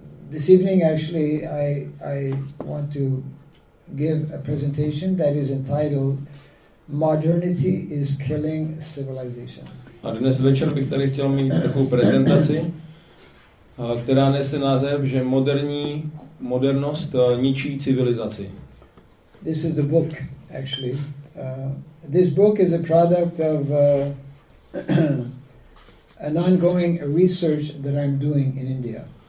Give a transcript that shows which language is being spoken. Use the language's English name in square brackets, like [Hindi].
[English] This evening, actually, I want to give a presentation that is entitled "Modernity is Killing Civilization." [Czech] A dnes večer bych tady chtěl mít takovou prezentaci, která nese název, že modernost ničí civilizaci. [English] This is the book, actually. This book is a product of an ongoing research that I'm doing in India.